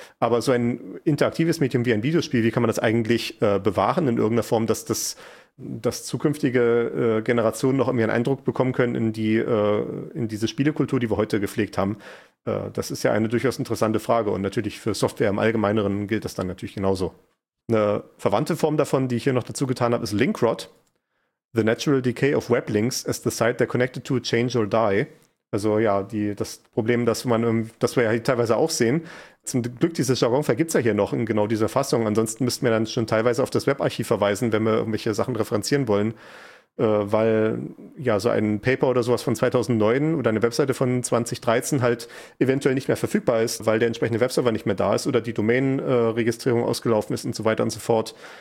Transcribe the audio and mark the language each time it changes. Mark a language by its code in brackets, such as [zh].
[de] Aber so ein interaktives Medium wie ein Videospiel, wie kann man das eigentlich bewahren in irgendeiner Form, dass das dass zukünftige Generationen noch irgendwie einen Eindruck bekommen können in diese Spielekultur, die wir heute gepflegt haben. Das ist ja eine durchaus interessante Frage und natürlich für Software im Allgemeineren gilt das dann natürlich genauso. Eine verwandte Form davon, die ich hier noch dazu getan habe, ist Linkrot. [en] The natural decay of web links as the site they're connected to change or die. [de] Also ja, das Problem, das wir ja teilweise auch sehen. Zum Glück, dieses Jargon vergibt es ja hier noch in genau dieser Fassung. Ansonsten müssten wir dann schon teilweise auf das Webarchiv verweisen, wenn wir irgendwelche Sachen referenzieren wollen. Weil ja so ein Paper oder sowas von 2009 oder eine Webseite von 2013 halt eventuell nicht mehr verfügbar ist, weil der entsprechende Webserver nicht mehr da ist oder die Domain-Registrierung ausgelaufen ist und so weiter und so fort.